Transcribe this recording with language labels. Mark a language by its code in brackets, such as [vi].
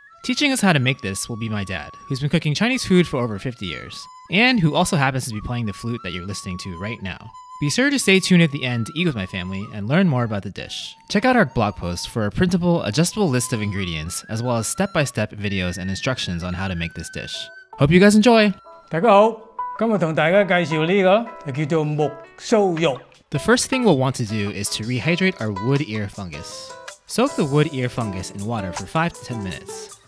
[en] Teaching us how to make this will be my dad, who's been cooking Chinese food for over 50 years, and who also happens to be playing the flute that you're listening to right now. Be sure to stay tuned at the end to eat with my family and learn more about the dish. Check out our blog post for a printable, adjustable list of ingredients, as well as step-by-step videos and instructions on how to make this dish. Hope you guys enjoy! [zh] 大家好, 今天跟大家介绍这个叫木瘦肉。 [en] The first thing we'll want to do is to rehydrate our wood ear fungus. Soak the wood ear fungus in water for 5 to 10 minutes.